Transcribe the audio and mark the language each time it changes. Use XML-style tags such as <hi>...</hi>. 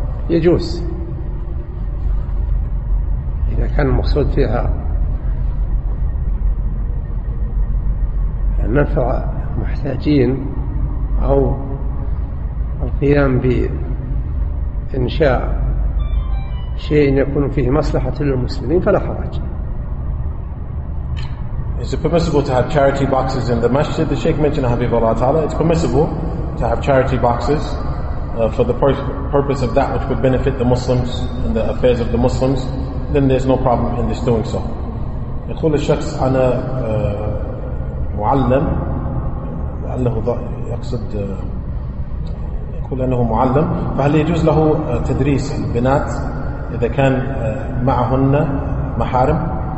<ar>يجوز إذا كان مقصود فيها نفع محتاجين أو القيام بإنشاء شيء يكون فيه مصلحة للمسلمين فلا حرج.</ar> <en>Is it permissible to have charity boxes in the masjid? The Shaykh mentioned, Habib Allah Ta'ala, it's permissible to have charity boxes for the purpose of that which would benefit the Muslims and the affairs of the Muslims. Then there's no problem in this doing so.</en> <ar>يقول الشخص أنا معلم، لعله يقصد يقول أنه معلم، فهل يجوز له تدريس البنات إذا كان معهن محارم؟</ar>